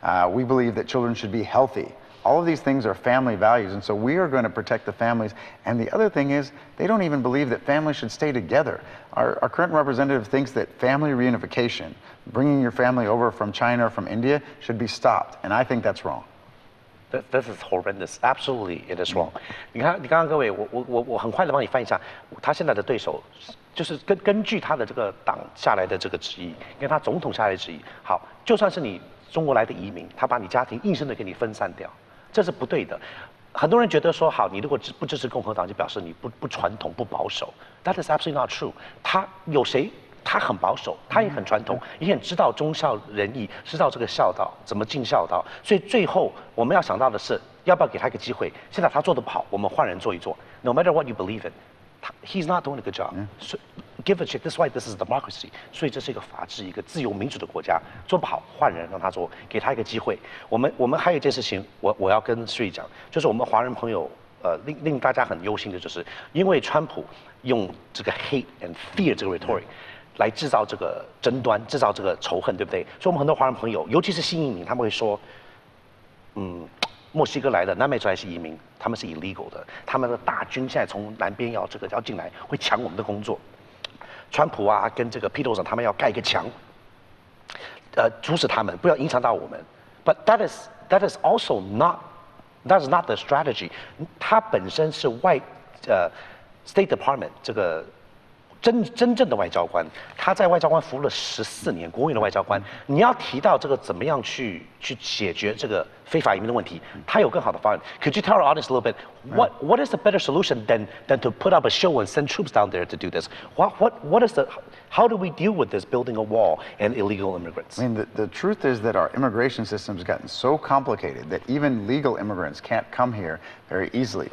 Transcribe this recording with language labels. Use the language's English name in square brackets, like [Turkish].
[English] We believe that children should be healthy. All of these things are family values, and so we are going to protect the families. And the other thing is, they don't even believe that families should stay together. Our current representative thinks that family reunification, bringing your family over from China or from India, should be stopped, and I think that's wrong. This is horrendous. Absolutely, it is wrong. [Chinese] 你看，你刚刚各位，我很快的帮你翻译一下，他现在的对手，就是根据他的这个党下来的这个旨意，跟他总统下来的旨意。好，就算是你中国来的移民，他把你家庭硬生的给你分散掉，这是不对的。很多人觉得说，好，你如果不支持共和党，就表示你不传统、不保守。 [English] That is absolutely not true. [Chinese] 他有谁？他很保守，他也很传统，也很知道忠孝仁义，知道这个孝道怎么尽孝道。所以最后我们要想到的是，要不要给他一个机会？现在他做得不好，我们换人做一做。 [English] No matter what you believe in, he's not doing a good job. So give a check. That's why this is democracy. [Chinese] 所以这是一个法治、一个自由民主的国家。做不好换人，让他做，给他一个机会。我们还有一件事情，我要跟Sri讲，就是我们华人朋友。令大家很忧心的就是，因为川普用这个 [English] hate and fear [Chinese] 这个 rhetoric。来制造这个争端，制造这个仇恨，对不对？所以我们很多华人朋友，尤其是新移民，他们会说，墨西哥来的南美洲还是移民，他们是 illegal 的，他们的大军现在从南边要这个要进来，会抢我们的工作。川普啊，跟这个 Peterson 他们要盖一个墙，阻止他们，不要影响到我们。 [English] But that is also not, that's not the strategy. [Chinese] 它本身是外，State Department 这个真正的外交官，他在外交官服务了14年，国务院的外交官。你要提到这个怎么样去解决这个非法移民的问题，他有更好的方案。 [English] Could you tell our audience a little bit what is the better solution than to put up a show and send troops down there to do this? What is the how do we deal with this building a wall and illegal immigrants? I mean the truth is that our immigration system has gotten so complicated that even legal immigrants can't come here very easily.